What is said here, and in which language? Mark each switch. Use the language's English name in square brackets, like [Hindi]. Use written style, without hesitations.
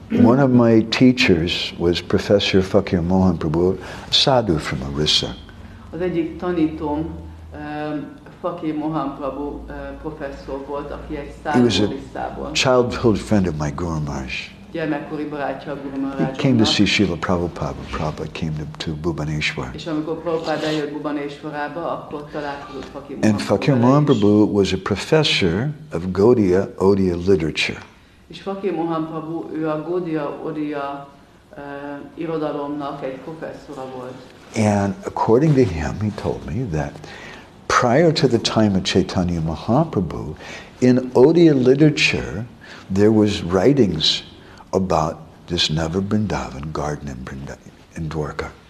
[English] One of my teachers was Professor Fakir Mohan Prabhu, sadhu from Orissa. [Hungarian] Az egyik tanítom Fakir Mohan Prabhu professzor volt, aki egy sadhu Orissából. [English] He was a childhood friend of my Guru Maharaj. [Hungarian] Gyermekkori barátja a Guru Maharajának. [English] He came to see Srila Prabhupada. Prabhupada came to Bhubaneswar. [Hungarian] És amikor Prabhupada eljött Bhubaneswarába, akkor találkozott Fakir Mohan Prabhu. [English] And Fakir Mohan Prabhu was a professor of Gaudiya Odia literature. [Hungarian] És Fakir Mohan Prabhu, ő a Gaudiya Odia irodalomnak egy professzora volt. [English] And according to him, he told me that prior to the time of Chaitanya Mahaprabhu, in Odia literature, there was writings about this Nava Vrindavan garden in Dwarka.